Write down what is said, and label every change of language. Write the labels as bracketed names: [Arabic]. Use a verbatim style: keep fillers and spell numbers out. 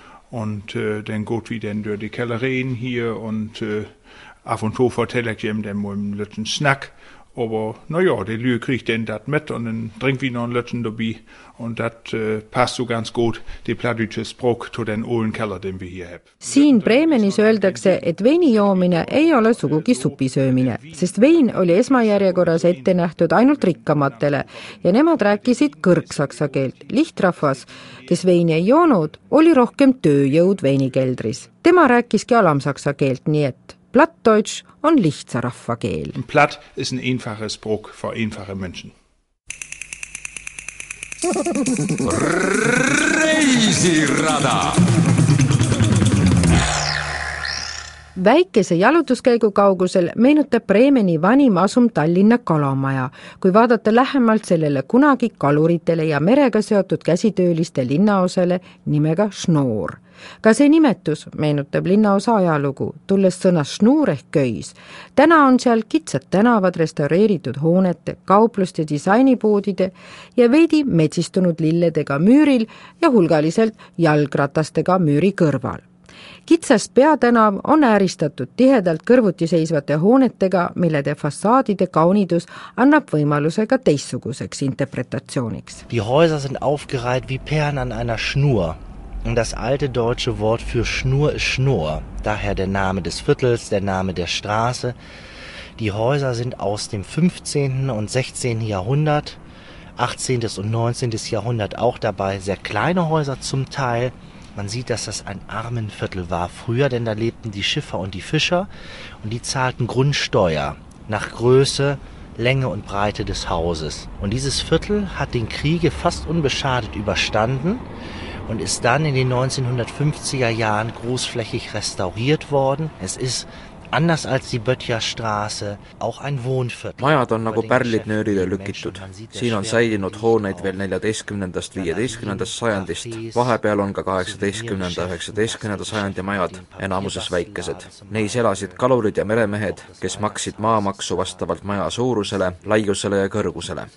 [German] Und äh, dann gut wie denn durch die Kellerien hier und äh, [Low German] af und to [German] vertelle ich dem dann einen lütten Snack. Aber naja, die Lühe kriegt denn dat mit und dann trinkt wie noch ein Lötchen dabei. Und dat äh, passt so ganz gut, die Plattdeutsche Spruch zu den ollen Keller, den wir hier haben. [Estonian] Siin Bremenis öeldakse, et veini joomine ei ole sugugi supisöömine, sest vein oli esmajärjekorras ette nähtud ainult rikkamatele ja nemad rääkisid kõrgsaksa keelt. Lihtrahvas, kes veini ei joonud, oli rohkem tööjõud veinikeldris. Tema rääkiski alamsaksa keelt, nii et Plattdeutsch on lihtsa rahvakeel. [German] Platt ist ein einfaches Spruch für einfache Menschen. [Estonian] Reisirada. Väikese jalutuskäigu kaugusel meenutab Bremeni vanim asum Tallinna Kalamaja, kui vaadata lähemalt sellele kunagi kaluritele ja merega seotud käsitööliste linnaosale nimega Schnoor. Ka see nimetus meenutab linnaosa ajalugu, tulles sõna Schnuur ehk köis. Täna on seal kitsad tänavad restaureeritud hoonete, kaupluste disainipoodide ja veidi metsistunud lilledega müüril ja hulgaliselt jalgratastega müüri kõrval. Kitsas peatänav on ääristatud tihedalt kõrvuti seisvate hoonetega, millede fassaadide kaunidus annab võimaluse ka teissuguseks interpretatsiooniks. [German] Die Häuser sind aufgereiht wie Perlen an einer Schnur. Und das alte deutsche Wort für Schnur ist Schnorr, daher der Name des Viertels, der Name der Straße. Die Häuser sind aus dem fünfzehnten und sechzehnten Jahrhundert, achtzehnten und neunzehnten Jahrhundert auch dabei, sehr kleine Häuser zum Teil. Man sieht, dass das ein Armenviertel war früher, denn da lebten die Schiffer und die Fischer und die zahlten Grundsteuer nach Größe, Länge und Breite des Hauses. Und dieses Viertel hat den Krieg fast unbeschadet überstanden und ist dann in den neunzehnhundertfünfziger Jahren großflächig restauriert worden. Es ist, anders als die Böttcher Straße, auch ein Wohnviertel. [Estonian] Majad on nagu pärlid nöörile lükitud. Siin on säilinud hooneid veel neljateistkümnendast viieteistkümnenda sajandist. Vahepeal on ka kaheksateistkümnenda üheksateistkümnenda sajandi majad, enamuses väikesed. Neis elasid kalurid ja meremehed, kes maksid maamaksu vastavalt maja suurusele, laiusele ja kõrgusele.